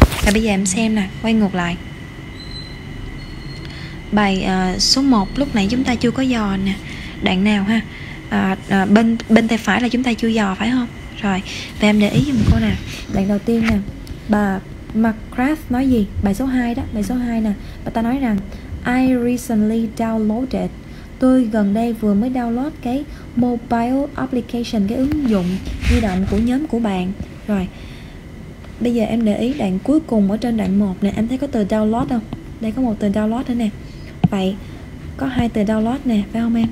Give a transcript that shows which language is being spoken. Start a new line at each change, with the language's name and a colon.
Vietnamese: Và bây giờ em xem nè, quay ngược lại bài số 1 lúc nãy chúng ta chưa có dò nè. Đoạn nào ha? Bên tay phải là chúng ta chưa dò phải không? Rồi, và em để ý giùm cô nè. Đoạn đầu tiên nè, bà McGrath nói gì? Bài số 2 đó, bài số 2 nè. Bà ta nói rằng
English: I recently downloaded.
Vietnamese: Tôi gần đây vừa mới download cái mobile application, cái ứng dụng di động của nhóm của bạn. Rồi, bây giờ em để ý đoạn cuối cùng ở trên đoạn 1 nè. Em thấy có từ download không? Đây có một từ download nữa nè. Vậy có hai từ download nè, phải không em?